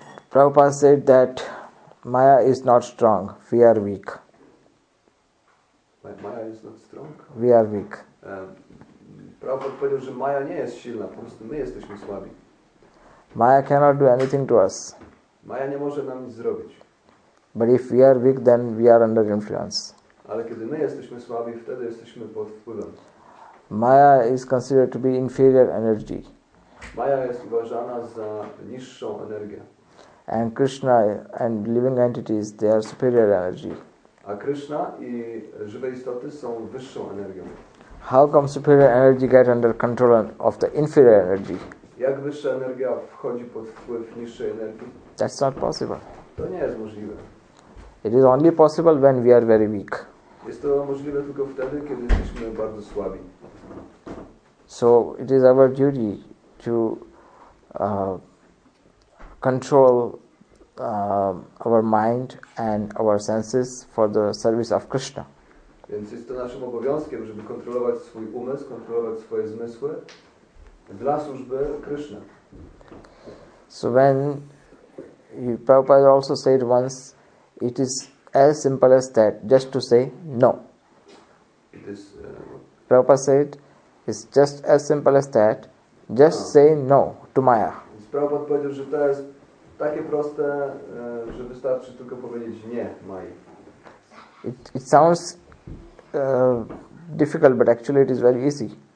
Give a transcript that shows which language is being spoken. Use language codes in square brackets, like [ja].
[en] Prabhupada said that Maya is not strong, we are weak. Maya is not strong? We are weak. [pl] Prabhupada powiedział, że Maya nie jest silna, po prostu my jesteśmy słabi. [en] Maya cannot do anything to us. [pl] Maya nie może nam nic zrobić. [en] But if we are weak, then we are under influence. [pl] Ale kiedy my jesteśmy słabi, wtedy jesteśmy pod wpływem. [en] Maya is considered to be inferior energy. [pl] Maya jest uważana za niższą energię. [en] And Krishna and living entities, they are superior energy. [pl] A Krishna i żywe istoty są wyższą energią. [en] How come superior energy get under control of the inferior energy? [pl] Jak wyższa energia wchodzi pod wpływ niższej energii? [en] That's not possible. [pl] To nie jest możliwe. [en] It is only possible when we are very weak. [pl] Jest to możliwe tylko wtedy, kiedy jesteśmy bardzo słabi. [en] So it is our duty to control our mind and our senses for the service of Krishna. [pl] Więc jest to naszym obowiązkiem, żeby kontrolować swój umysł, kontrolować swoje zmysły dla służby Krishna. [en] So when Prabhupada also said once, it is as simple as that, just to say no. It is Prabhupada said, it's just as simple as that, just say no to Maya. [pl] Prabhupada powiedział, że to jest takie proste, że wystarczy tylko powiedzieć nie Mai. [en] It sounds difficult, but actually it is very easy.